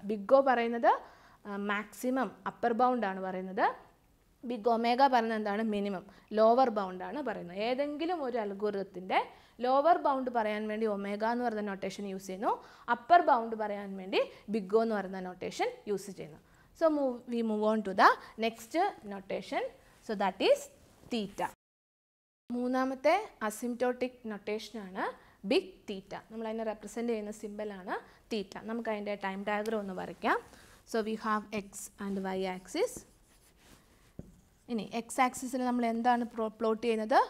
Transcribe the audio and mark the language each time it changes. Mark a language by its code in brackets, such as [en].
[ml] Big ഓ പറയുന്നത് maximum upper ബൗണ്ടാണ് പറയുന്നത്. Big omega പറയുന്നത് എന്താണ്? മിനിമം ലോവർ ബൗണ്ടാണ് പറയുന്നത്. ഏതെങ്കിലും ഒരു അൽഗോരിതത്തിൻ്റെ ലോവർ ബൗണ്ട് പറയാൻ വേണ്ടി ഒമേഗ എന്ന് പറയുന്ന നൊട്ടേഷൻ യൂസ് ചെയ്യുന്നു, അപ്പർ ബൗണ്ട് പറയാൻ വേണ്ടി ബിഗ് ഓ എന്ന് പറയുന്ന നൊട്ടേഷൻ യൂസ് ചെയ്യുന്നു. [en] So we move on to the next notation. So that is theta. [ml] മൂന്നാമത്തെ അസിംപ്റ്റോട്ടിക് നൊട്ടേഷൻ ആണ് ബിഗ് തീറ്റ. നമ്മൾ അതിനെ റെപ്രസെൻ്റ് ചെയ്യുന്ന സിമ്പലാണ് തീറ്റ. നമുക്ക് അതിൻ്റെ ടൈം ഡയഗ്രം ഒന്ന് വരയ്ക്കാം. [en] So we have X and Y axis. [ml] ഇനി എക്സ് ആക്സിസിൽ നമ്മൾ എന്താണ് പ്ലോട്ട് ചെയ്യുന്നത്?